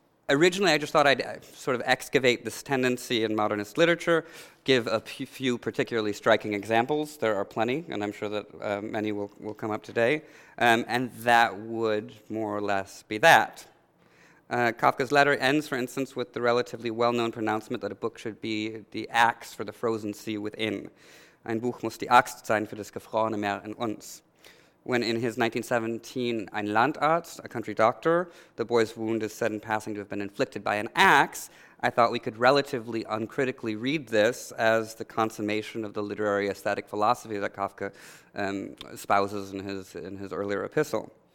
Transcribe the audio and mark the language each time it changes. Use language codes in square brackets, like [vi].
[en] Originally, I just thought I'd sort of excavate this tendency in modernist literature, give a few particularly striking examples. There are plenty, and I'm sure that many will come up today. And that would more or less be that. Kafka's letter ends, for instance, with the relatively well-known pronouncement that a book should be the axe for the frozen sea within. [de] Ein Buch muss die Axt sein für das gefrorene Meer in uns. [en] When in his 1917 Ein Landarzt, a country doctor, the boy's wound is said in passing to have been inflicted by an axe, I thought we could relatively uncritically read this as the consummation of the literary aesthetic philosophy that Kafka espouses in his earlier epistle.